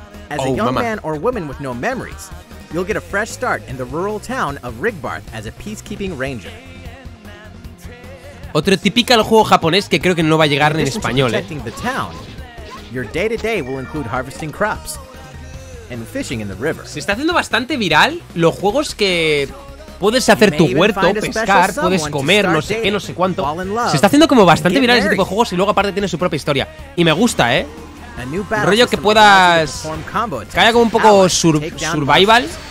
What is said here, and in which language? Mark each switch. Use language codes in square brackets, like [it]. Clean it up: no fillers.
[en] As a young man or woman with no memories, you'll get a fresh start in the rural town of Rigbarth as a peacekeeping ranger. [es] Otro típico juego japonés que creo que no va a llegar en español, eh. [en] Your day-to-day will include harvesting crops and fishing in the river. [es] Se está haciendo bastante viral los juegos que puedes hacer tu huerto, pescar, puedes comer, no sé qué, no sé cuánto. Se está haciendo como bastante viral ese tipo de juegos y luego aparte tiene su propia historia. Y me gusta, eh. Rollo que puedas caiga como un poco survival.